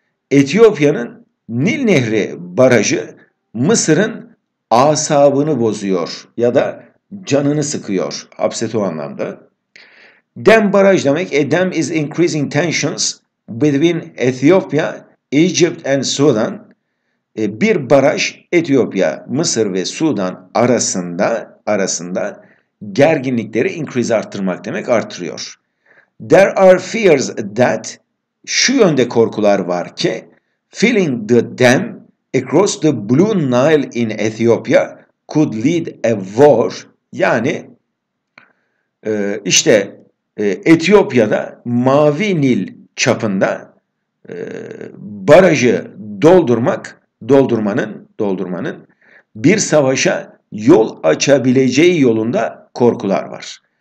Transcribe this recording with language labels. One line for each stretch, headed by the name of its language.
Turkish: Etiyopya'nın Nil Nehri Barajı Mısır'ın asabını bozuyor ya da canını sıkıyor. Upset o anlamda. Dam baraj demek.
English: A dam is increasing tensions between Ethiopia, Egypt and Sudan.
Turkish: Bir baraj Etiyopya, Mısır ve Sudan arasında gerginlikleri increase, arttırmak demek, artırıyor.
English: There are fears that,
Turkish: şu yönde korkular var ki,
English: filling the dam across the Blue Nile in Ethiopia could lead a war.
Turkish: Yani işte Etiyopya'da Mavi Nil çapında barajı doldurmanın bir savaşa yol açabileceği yolunda korkular var.